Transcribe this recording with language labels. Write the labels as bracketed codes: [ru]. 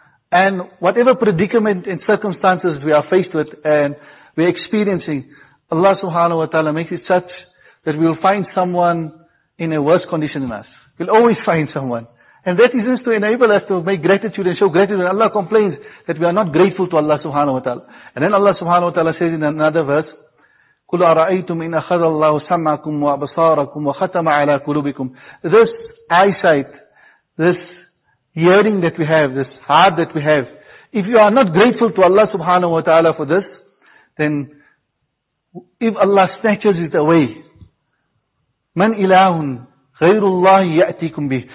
[en] And whatever predicament and circumstances we are faced with and we're experiencing, Allah subhanahu wa ta'ala makes it such that we will find someone in a worse condition than us. We'll always find someone. And that is just to enable us to make gratitude and show gratitude. And Allah complains that we are not grateful to Allah subhanahu wa ta'ala. And then Allah subhanahu wa ta'ala says in another verse, [ar] قل أرأيتم إن أخذ الله سمعكم وأبصاركم وختم على قلوبكم. [en] This eyesight, this hearing that we have, this heart that we have, if you are not grateful to Allah subhanahu wa ta'ala for this, then if Allah snatches it away, [ar] من إله غير الله يأتيكم به.